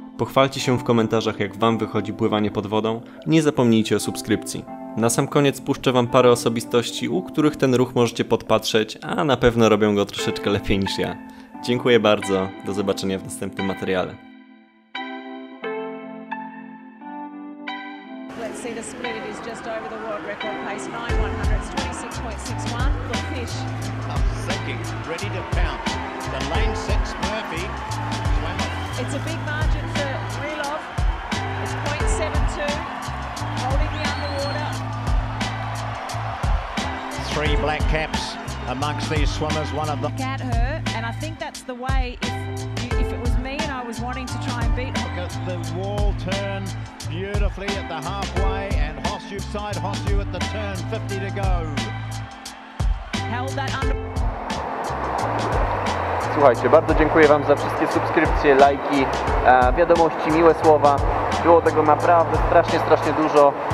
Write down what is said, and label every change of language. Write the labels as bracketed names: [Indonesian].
[Polish] Pochwalcie się w komentarzach, jak Wam wychodzi pływanie pod wodą. Nie zapomnijcie o subskrypcji. Na sam koniec puszczę Wam parę osobistości, u których ten ruch możecie podpatrzeć, a na pewno robią go troszeczkę lepiej niż ja. Dziękuję bardzo, do zobaczenia w następnym materiale. [English] Let's see, the split is just over the world record pace 9.100, 26.61 for Fish. Up sinking, ready to pounce. The lane 6 Murphy. It's a big margin for Rilov. It's 0.72. Holding the underwater. Three black caps amongst these swimmers, one of them. Look at her, and I think that's the way, if it was me and I was wanting to try and beat her. Look at the wall turn beautifully at the halfway, and Hossu side, Hossu at the turn, 50 to go. Held that under. [Polish] Słuchajcie, bardzo dziękuję Wam za wszystkie subskrypcje, lajki, wiadomości, miłe słowa. Było tego naprawdę strasznie, strasznie dużo.